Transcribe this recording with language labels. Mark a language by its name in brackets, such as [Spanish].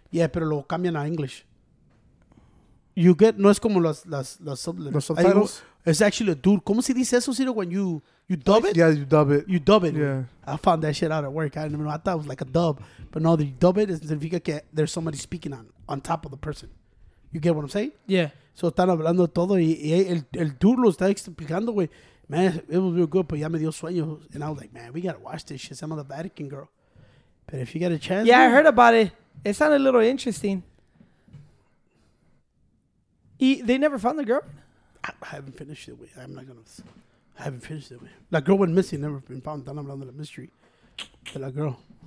[Spanish] Yeah, pero lo cambian a English. [English] You get... [Spanish] No es como las [English] subtitles. Los subtitles? It's actually a dude. [Spanish] ¿Cómo se dice eso, [English] Ciro, when you dub it? Yeah, you dub it. You dub it. Yeah. I found that shit out at work. I didn't even know. I thought it was like a dub. But no, you dub it, [Spanish] significa que [English] there's somebody speaking on top of the person. You get what I'm saying? Yeah. [Spanish] So están hablando todo y el dude lo está explicando, güey. [English] Man, it was real good, but [Spanish] ya me dio sueño. [English] And I was like, man, we got to watch this shit. Some of the Vatican girl. But if you get a chance. Yeah, man, I heard about it. It sounded a little interesting. They never found the girl? I haven't finished it. That girl went missing. Never been found. Done around the mystery. But that girl.